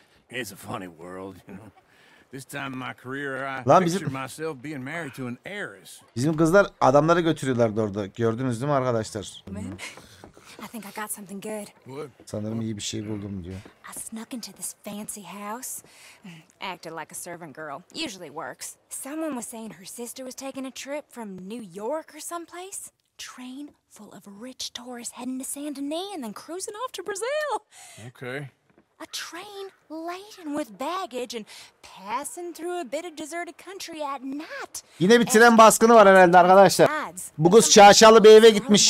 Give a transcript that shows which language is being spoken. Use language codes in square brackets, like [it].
[en] It's a funny world, you know. This time my career I picture myself being married to an heiress. [tr] Bizim kızlar adamları götürüyorlardı orada. Gördünüz değil mi arkadaşlar? [en] I think I got something good. [tr] Sanırım iyi bir şey buldum diyor. [en] I snuck into this fancy house, acted like a servant girl. Usually works. Someone was saying her sister was taking a trip from New York or someplace. Train full of rich tourists heading to Saint Denis and then cruising off to Brazil. Okay. A train laden with baggage and passing through a bit of deserted country at night. [tr] Yine bir tren baskını var herhalde arkadaşlar. Bu kız şaşalı bir eve gitmiş.